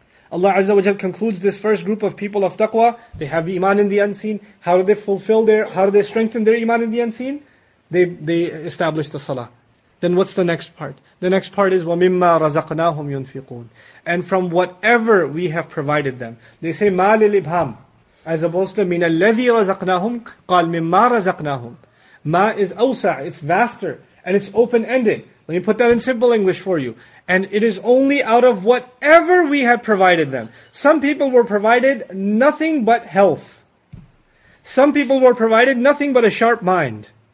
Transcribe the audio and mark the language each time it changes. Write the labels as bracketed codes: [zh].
[en] Allah Azza wa Jal concludes this first group of people of taqwa. They have iman in the unseen. How do they fulfill how do they strengthen their iman in the unseen? They establish the salah. Then what's the next part? The next part is [ar] وَمِمَّا رَزَقْنَاهُمْ يُنْفِقُونَ. [en] And from whatever we have provided them. [ar] They say مَا لِلْإِبْهَامْ, [en] as opposed to [ar] مِنَ الَّذِي رَزَقْنَاهُمْ قَالْ مِمَّا رَزَقْنَاهُمْ. [en] مَا is [ar] أَوْسَع, [en] it's vaster, and it's open-ended. Let me put that in simple English for you. And it is only out of whatever we have provided them. Some people were provided nothing but health. Some people were provided nothing but a sharp mind.